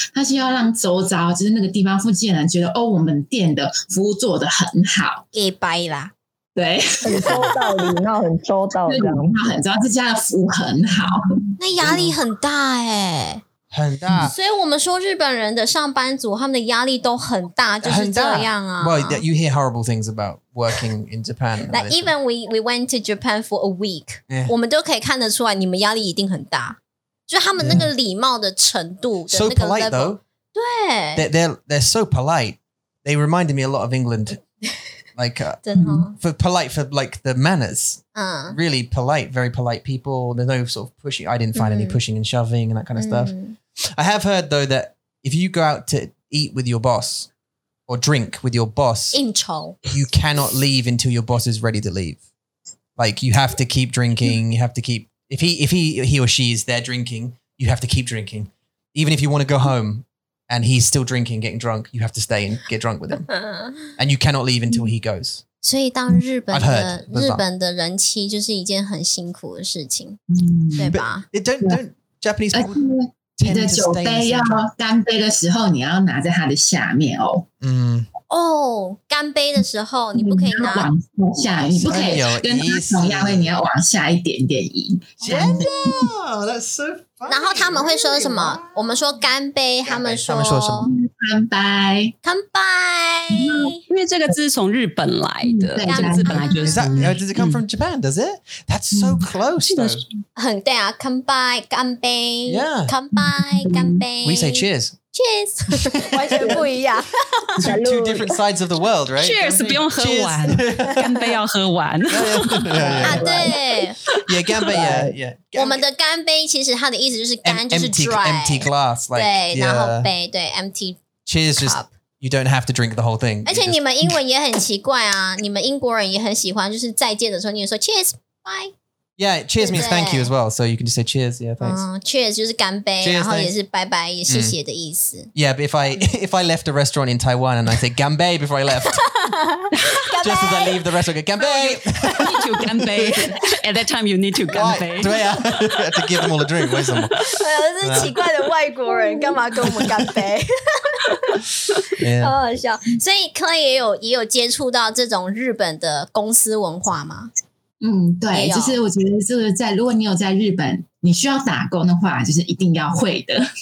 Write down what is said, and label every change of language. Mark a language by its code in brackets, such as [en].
[zh] 他是要让周遭，就是那个地方附近的人觉得，哦，我们店的服务做得很好，给掰啦。对，很周到，礼貌很周到，这样他很知道这家的服务很好。那压力很大哎、欸。很大，所以我们说日本人的上班族他们的压力都很大，就是这样啊。 [en] Well, you hear horrible things about working in Japan. Like even we went to Japan for a week,、 yeah. [zh] 我们都可以看得出来你们压力一定很大，就他们那个礼貌的程度的那个 level, [en] so polite though. [zh] 对 [en] they're so polite. They reminded me a lot of England. Like, [zh] 真的吗? [en] For polite, for like the manners. Really polite, very polite people. There's no sort of pushing. I didn't find any pushing and shoving and that kind of stuff. I have heard though that if you go out to eat with your boss or drink with your boss, [zh] 应酬, [en] you cannot leave until your boss is ready to leave. Like you have to keep drinking. You have to keep, if he or she is there drinking, you have to keep drinking. Even if you want to go home. And he's still drinking, getting drunk. You have to stay and get drunk with him. And you cannot leave until he goes. [zh] 所以当日本的日本的人妻就是一件很辛苦的事情，对吧？ [en] Don't Japanese [zh] people, 你的酒杯要干杯的时候，你要拿在它的下面哦。哦，干杯的时候你不可以拿往下，你不可以跟他同样位，你要往下一点点移。真的 ， [en] That's so. [zh] 然后他们会说什么？我们说干杯，干杯，他们说，他们说什么？干杯，干杯。因为这个字是从日本来的，对，这个字本来就是。 [en] Does it come from Japan? Does it? That's so close. [zh] 很对啊，干杯，干杯。 [en] Yeah. [zh] 干杯，干杯。 [en] We say cheers. [zh] Cheers. 完全不一样。 [en] two different sides of the world, right? [zh] Cheers, 不用喝完。干杯要喝完。啊，对。 [en] Yeah, 干杯 yeah, yeah. [zh] 我们的干杯其实它的意思就是干就是 dry [en] empty glass like, yeah. [zh] 然后杯对 empty [en] cheers、 cup. Just you don't have to drink the whole thing [zh] 而且你们英文也很奇怪啊你们英国人也很喜欢就是再见的时候你们说 [en] cheers bye yeah cheers means thank you as well so you can just say cheers yeah thanks、 [zh] cheers 就是干杯 [en] cheers, [zh] 然后也是拜拜也谢谢的意思、 [en] yeah but if I left a restaurant in Taiwan and I said 干杯 before I left just as I leave the restaurant, 干杯 need to 干杯 At that time, you need to 干杯 [zh] 对啊 [en] to give them all a drink, [zh] 为什么这奇怪的外国人干嘛跟我们干杯好好笑所以 Clay 也有接触到这种日本的公司文化吗对就是我觉得这个在如果你有在日本你需要打工的话就是一定要会的